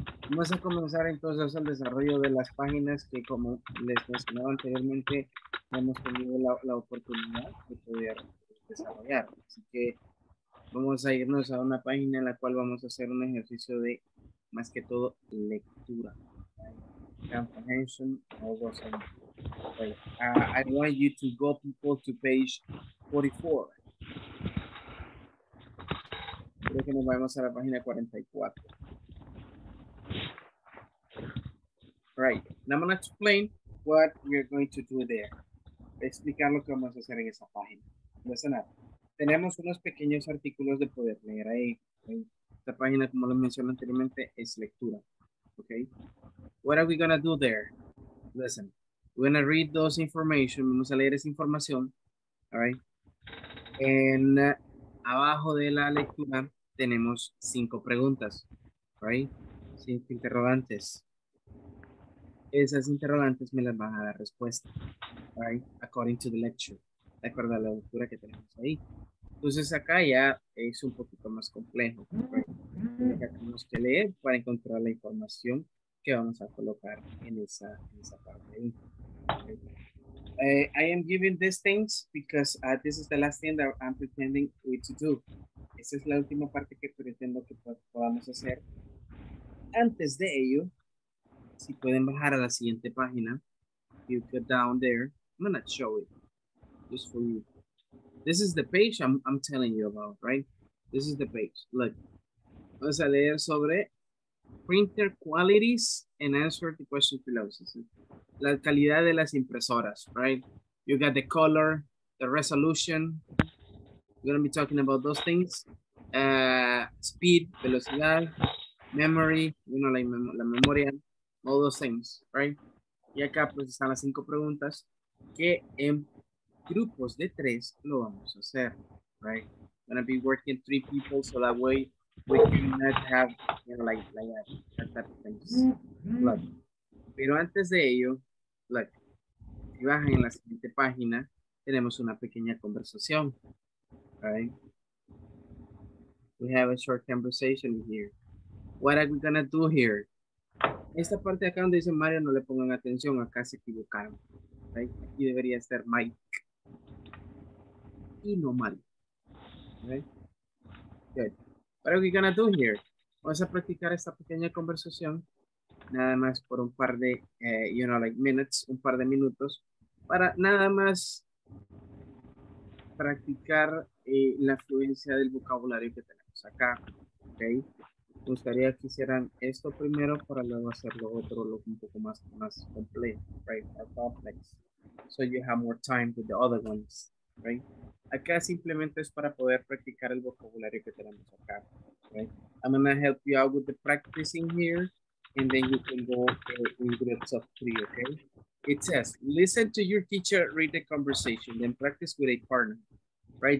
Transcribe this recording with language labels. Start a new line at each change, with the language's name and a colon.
Spanish: Vamos a comenzar entonces el desarrollo de las páginas que, como les mencionaba anteriormente, hemos tenido la oportunidad de poder desarrollar. Así que vamos a irnos a una página en la cual vamos a hacer un ejercicio de, más que todo, lectura.
English: Comprehension, all those things. I want you to go, people, to page 44.
Spanish: Creo que nos vamos a la página 44.
English: Right, now I'm going to explain what we're going to do there.
Spanish: Explicar lo que vamos a hacer en esa página.
English: Listen up.
Spanish: Tenemos unos pequeños artículos de poder leer ahí. Okay. Esta página, como les mencioné anteriormente, es lectura.
English: Okay. What are we going to do there? Listen. We're going to read those information.
Spanish: Vamos a leer esa información.
English: All right.
Spanish: And abajo de la lectura tenemos cinco preguntas. Right. Cinco interrogantes. Esas interrogantes me las van a dar respuesta, right?
English: According to the lecture,
Spanish: de acuerdo a la lectura que tenemos ahí. Entonces acá ya es un poquito más complejo, right? Acá tenemos que leer para encontrar la información que vamos a colocar en esa parte ahí.
English: Okay. I am giving these things because this is the last thing that I'm pretending we to do.
Spanish: Esa es la última parte que pretendo que podamos hacer. Antes de ello, si pueden bajar a la siguiente página,
English: you go down there. I'm gonna show it just for you. This is the page I'm telling you about, right? This is the page. Look,
Spanish: vamos a leer sobre
English: printer qualities and answer the question below.
Spanish: La calidad de las impresoras,
English: right? You got the color, the resolution. We're gonna be talking about those things. Speed, velocidad, memory. You know, like
Spanish: la memoria.
English: All those things, right?
Spanish: Y acá pues están las cinco preguntas que en grupos de tres lo vamos a hacer, right?
English: Gonna be working three people so that way we cannot have, you know, like that type of things. Look.
Spanish: Pero antes de ello, look, si bajan en la siguiente página, tenemos una pequeña conversación, right?
English: We have a short conversation here. What are we gonna do here?
Spanish: Esta parte de acá donde dice Mario, no le pongan atención, acá se equivocaron. Right? Aquí debería estar Mike.
English: Y no Mario. Right? Good. What are we gonna do here?
Spanish: Vamos a practicar esta pequeña conversación, nada más por un par de,
English: you know, like minutes,
Spanish: un par de minutos, para nada más practicar la fluencia del vocabulario que tenemos acá. Okay? Me gustaría que hicieran esto primero para luego hacer lo otro, lo un poco más complejo, right?
English: Or complex. So you have more time with the other ones,
Spanish: right? Acá simplemente es para poder practicar el vocabulario que tenemos acá, right?
English: I'm going to help you out with the practicing here, and then you can go in groups of three, okay? It says, listen to your teacher read the conversation, then practice with a partner, right?